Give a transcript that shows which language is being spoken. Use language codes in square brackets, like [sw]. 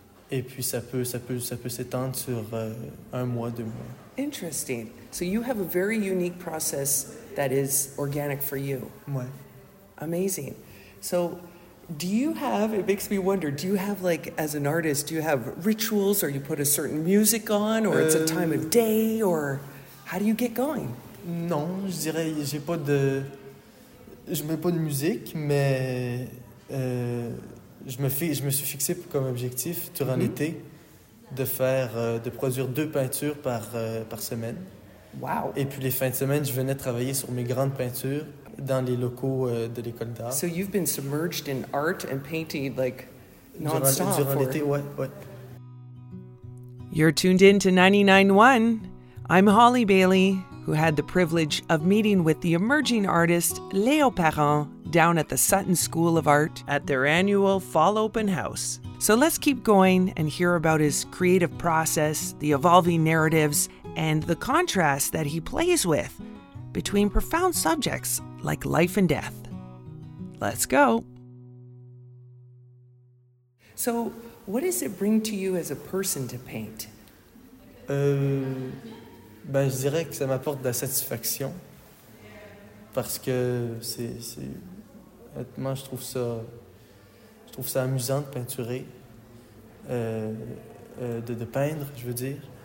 [fr] Et puis, ça peut s'étendre sur un mois, deux mois. [en] Interesting. So you have a very unique process that is organic for you. [fr] Ouais. [en] Amazing. So do you have, it makes me wonder, do you have, like, as an artist, do you have rituals or you put a certain music on or it's a time of day or how do you get going? [fr] Non, je dirais, j'ai pas de... Je mets pas de musique, mais je me suis fixé comme objectif durant l'été de produire deux peintures par semaine. [en] Wow. [fr] Et puis les fins de semaine, je venais travailler sur mes grandes peintures dans les locaux de l'école d'art. [en] So you've been submerged in art and painting like non-stop [fr] durant l'été, ouais. [en] You're tuned in to 99.1. I'm Holly Bailey, who had the privilege of meeting with the emerging artist Léo Parent down at the Sutton School of Art at their annual Fall Open House. So let's keep going and hear about his creative process, the evolving narratives, and the contrast that he plays with between profound subjects like life and death. Let's go. So what does it bring to you as a person to paint? [fr] Ben, je dirais que ça m'apporte de la satisfaction parce que c'est honnêtement, je trouve ça amusant de peinturer, de peindre, je veux dire.